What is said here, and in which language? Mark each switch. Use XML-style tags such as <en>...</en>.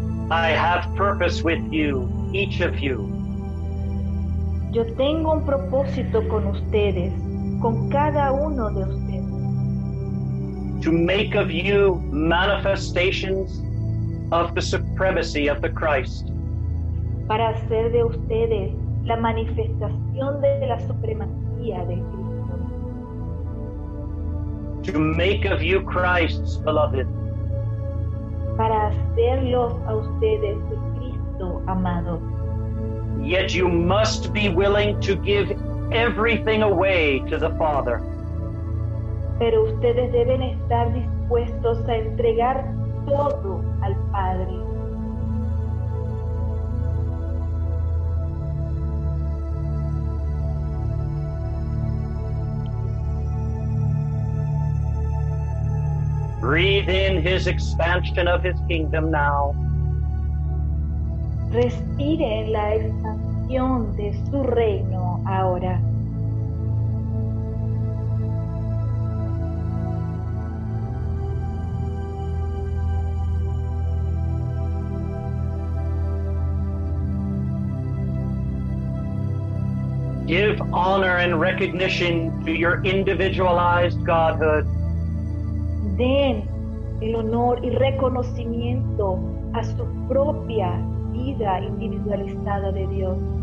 <en>I have purpose with you, each of you.</en> <es>Yo tengo un propósito con ustedes, con cada uno de ustedes.</es> <en>to make of you manifestations of the supremacy of the Christ.</en> <es>Para hacer de ustedes la manifestación de la supremacía de Cristo.</es> <en>To make of you Christ's beloved.</en> <es>Para hacerlos a ustedes de Cristo amado.</es> <en>Yet you must be willing to give everything away to the Father.</en> <es>Pero ustedes deben estar dispuestos a entregar todo al Padre.</es> <en>Breathe in his expansion of his kingdom now.</en> <es>Respire la expansión de su reino ahora.</es> <en>Give honor and recognition to your individualized Godhood.</en> <es>Den el honor y reconocimiento a su propia vida individualizada de Dios.</es>